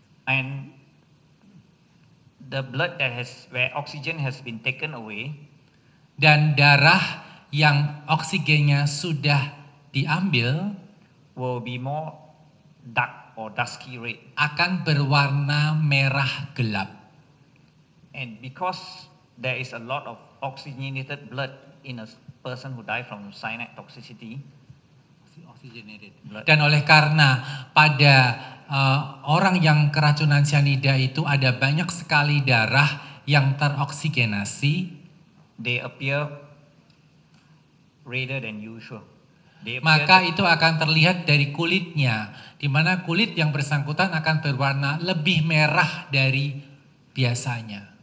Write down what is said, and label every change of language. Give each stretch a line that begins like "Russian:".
English: And the blood that has where oxygen has been taken away,
Indonesian: dan darah yang oksigennya sudah diambil
English: will be more dark or dusky red,
Indonesian: akan berwarna merah gelap.
English: And because there is a lot of oxygenated blood in a person who died from cyanide toxicity, oxygenated blood,
Indonesian: dan oleh karena pada orang yang keracunan sianida itu ada banyak sekali darah yang teroksigenasi,
English: they appear redder than usual.
Indonesian: Maka itu akan terlihat dari kulitnya, di mana kulit yang bersangkutan akan berwarna lebih merah dari biasanya.